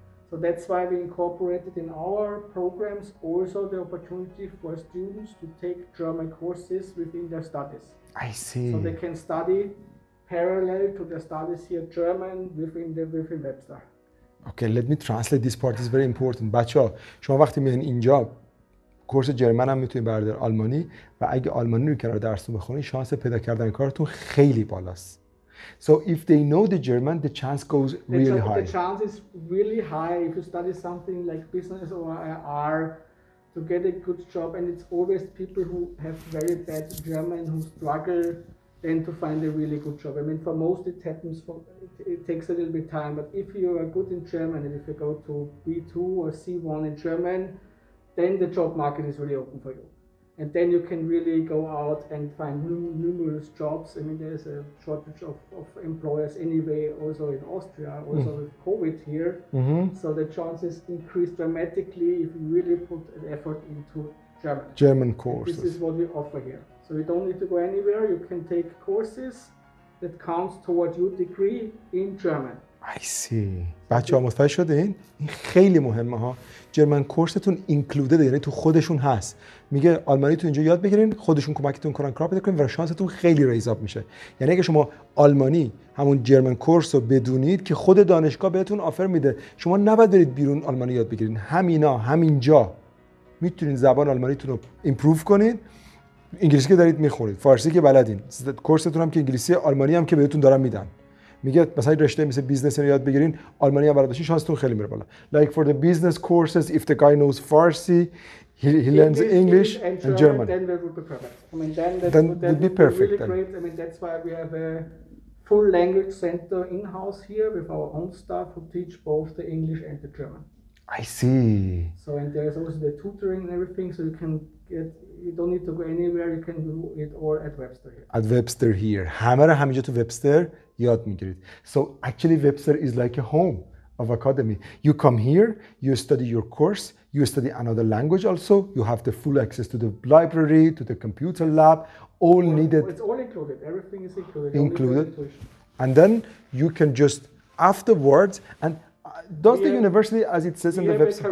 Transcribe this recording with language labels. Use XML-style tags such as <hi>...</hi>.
<en>So that's why we incorporated in our programs also the opportunity for students to take German courses within their studies. I see. So they can study parallel to their studies here German within Webster. Okay, let me translate this part. It's very important.</en> <fa>بچه ها، شما وقتی میان اینجا کورس جرمن هم میتونید بردار آلمانی و اگه آلمانی رو کنار درستون بخونید شانس پیدا کردن کارتون خیلی بالاست.</fa> <en>So if they know the German, the chance goes really high. The chance is really high if you study something like business or IR to get a good job, and it's always people who have very bad German who struggle and to find a really good job. I mean, for most it happens, it takes a little bit time, but if you are good in German and if you go to B2 or C1 in German, then the job market is really open for you. And then you can really go out and find numerous jobs. I mean, there's a shortage of employers anyway, also in Austria, also with COVID here. Mm-hmm. So the chances increase dramatically if you really put an effort into German. German courses. This is what we offer here. So you don't need to go anywhere. You can take courses that counts toward your degree in German. I see.</en> <fa>بچه‌ها متوجه شدین؟ این خیلی مهمه ها. جرمن کورستون اینکلودد، یعنی تو خودشون هست. میگه آلمانی تو اینجا یاد بگیرین، خودشون کمکتون کنن، کراپ بکنین و شانستون خیلی ریز آپ میشه. یعنی اگه شما آلمانی همون جرمن کورس رو بدونید که خود دانشگاه بهتون آفر میده، شما نباید برید بیرون آلمانی یاد بگیرین. همینا همینجا میتونین زبان آلمانیتون رو ایمپروو کنین. انگلیسی که دارید میخونید، فارسی که بلدین، کورستون هم که انگلیسی، آلمانی هم که بهتون دارن میدن. میگه مثلا رشته مثل بیزنس رو یاد بگیرین، آلمانی هم برداشتین، شانستون خیلی میره بالا.</fa> <en>Like for the business courses, if the guy knows Farsi, he learns English and German. Then that would be perfect. I mean, then that would be perfect. Really great. I mean, that's why we have a full language center in-house here with our own staff who teach both the English and the German. I see. So, and there is also the tutoring and everything, so you can get, you don't need to go anywhere, you can do it all at Webster here. At Webster here.</en> <fa>همه رو همینجا تو Webster یاد میگیرید.</fa> <en>So actually Webster is like a home of academy. You come here, you study your course, you study another language also, you have the full access to the library, to the computer lab, all needed. It's all included, everything is included. Included. And then you can just afterwards, and does the university, as it says in the Webster?</en>